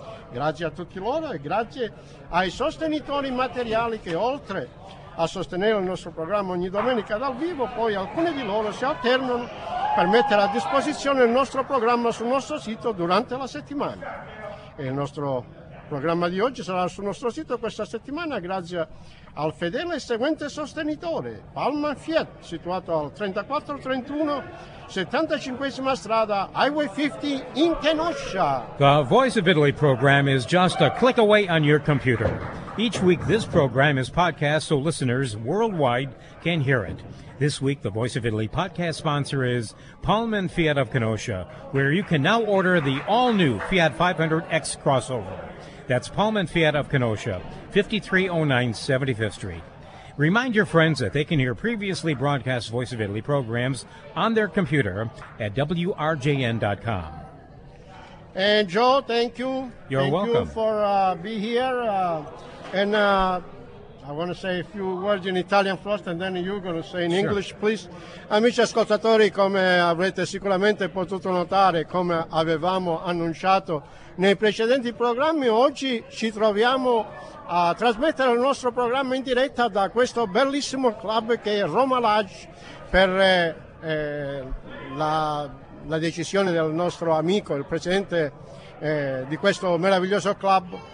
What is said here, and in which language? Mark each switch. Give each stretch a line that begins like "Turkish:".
Italian: Grazie a tutti loro e grazie ai sostenitori materiali che oltre a sostenere il nostro programma ogni domenica dal vivo, poi alcuni di loro si alternano per mettere a disposizione il nostro programma sul nostro sito durante la settimana. E il nostro programma di oggi sarà sul nostro sito questa settimana grazie al fedele seguente sostenitore, Palma Fiat, situato al 3431 75esima strada, Highway 50 in Kenosha.
English: The Voice of Italy program is just a click away on your computer. Each week this program is podcast so listeners worldwide can hear it. This week the Voice of Italy podcast sponsor is Palma Fiat of Kenosha, where you can now order the all-new Fiat 500X crossover. That's Palma Fiat of Kenosha, 5309 75th Street. Remind your friends that they can hear previously broadcast Voice of Italy programs on their computer at WRJN.com. And Joe, thank you. You're welcome. Thank you for being here. I want to say a few words in Italian first and then you're going to say in English, please.
Italian: Amici ascoltatori, come avrete sicuramente potuto notare, come avevamo annunciato nei precedenti programmi, oggi ci troviamo a trasmettere il nostro programma in diretta da questo bellissimo club che è Roma Lodge per la decisione del nostro amico, il presidente di questo meraviglioso club.